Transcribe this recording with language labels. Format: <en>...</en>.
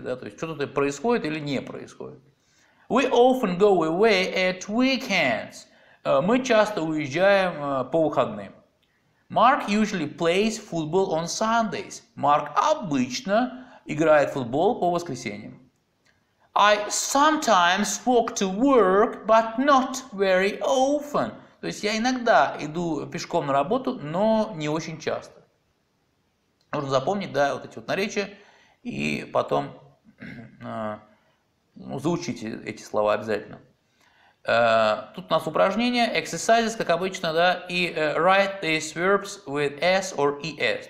<ru>Да? То есть, что-то происходит или не происходит.</ru> <en>We often go away at weekends.</en> <ru>Мы часто уезжаем по выходным.</ru> <en>Mark usually plays football on Sundays.</en> <ru>Mark обычно играет в футбол по воскресеньям.</ru> <en>I sometimes walk to work, but not very often.</en> <ru>То есть я иногда иду пешком на работу, но не очень часто. Нужно запомнить, да, вот эти вот наречия, и потом заучите эти слова обязательно. Тут у нас упражнение, exercises, как обычно, да, и</ru> <en>write these verbs with s or es.</en>